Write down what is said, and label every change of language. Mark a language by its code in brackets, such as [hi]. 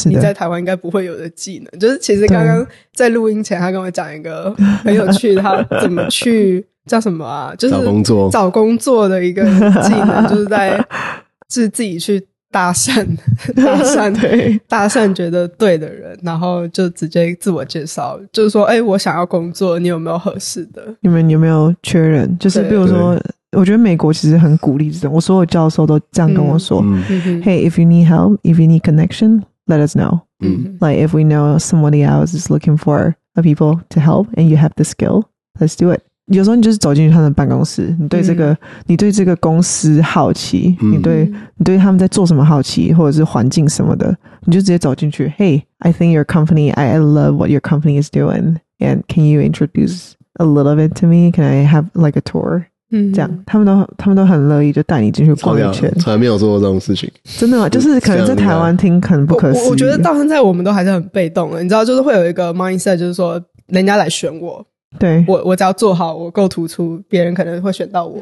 [zh] 你在台湾应该不会有的技能，就是其实刚刚在录音前，他跟我讲一个很有趣，他怎么去叫什么啊？就是找工作的一个技能，就是在是自己去搭讪对，搭讪觉得对的人，然后就直接自我介绍，就是说哎、欸，我想要工作，你有没有合适的，你们有没有缺人，就是比如说我觉得美国其实很鼓励这种，我所有教授都这样跟我说、 [en] Hey, if you need help, if you need connection, let us know、Like if we know somebody else is looking for a people to help and you have the skill, let's do it。 [zh] 有时候你就是走进去他的办公室，你对这个、你对这个公司好奇、你对他们在做什么好奇，或者是环境什么的，你就直接走进去。 [en] Hey, I think your company, I love what your company is doing, and can you introduce a little bit to me? Can I have like a tour?、 [zh] 这样他们都很乐意就带你进去逛一圈。从来没有做过这种事情，真的吗？就是可能在台湾听可能不可思议。我觉得到现在我们都还是很被动的，你知道，就是会有一个 mindset， 就是说人家来选我。对，我只要做好，我够突出，别人可能会选到我。